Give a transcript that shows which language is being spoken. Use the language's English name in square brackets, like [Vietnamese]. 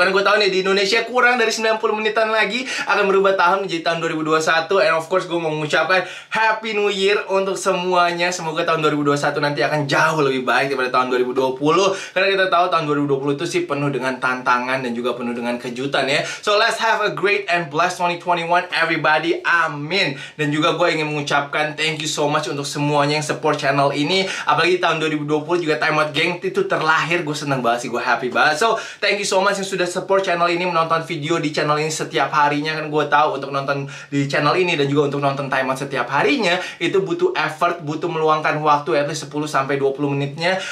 [Indonesian] Karena gue tahu nih, di Indonesia kurang dari 90 menitan lagi akan berubah tahun menjadi tahun 2021. [English] And of course, [Indonesian] gue mau mengucapkan [English] Happy New Year [Indonesian] untuk semuanya. Semoga tahun 2021 nanti akan jauh lebih baik daripada tahun 2020. Karena kita tahu tahun 2020 itu sih penuh dengan tantangan dan juga penuh dengan kejutan ya. [English] So let's have a great and blessed 2021, everybody. [Indonesian] Amin. Dan juga gue ingin mengucapkan [English] thank you so much [Indonesian] untuk semuanya yang support channel ini. Apalagi tahun 2020 juga Time Out Gang itu terlahir. Gue seneng banget sih, gue happy banget. [English] So thank you so much [Indonesian] yang sudah support channel ini, menonton video di channel ini setiap harinya. Kan gue tahu untuk nonton di channel ini dan juga untuk nonton Time Out setiap harinya itu butuh effort, butuh meluangkan waktu [English] at least [Indonesian] 10-20 menitnya.